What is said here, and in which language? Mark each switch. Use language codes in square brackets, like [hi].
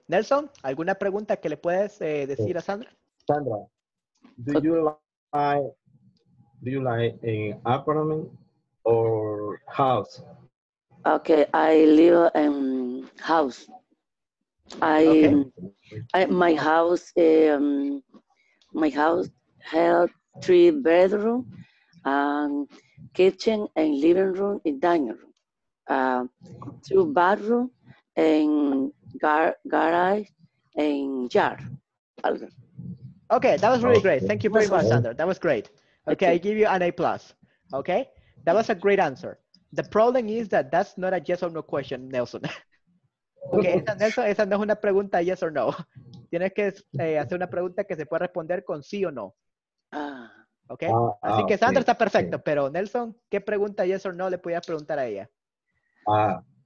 [es] Nelson, ¿alguna pregunta que le puedes decir a Sandra? [en] Sandra, do you like an apartment or house? Okay, I live in house. My house has 3 bedrooms, kitchen and living room and dining room, 2 bathrooms and garage and yard. Okay, that was really great. Thank you very much, Sandra. That was great. Okay, I give you an A+. Okay, that was a great answer. The problem is that that's not a yes or no question, Nelson. [es] Okay, esa no es una pregunta [en] yes or no. [es] Tienes que hacer una pregunta que se pueda responder con sí o no. Okay. Así que Sandra está perfecto, pero Nelson, ¿qué pregunta [en] yes or no [es] le podías preguntar a ella?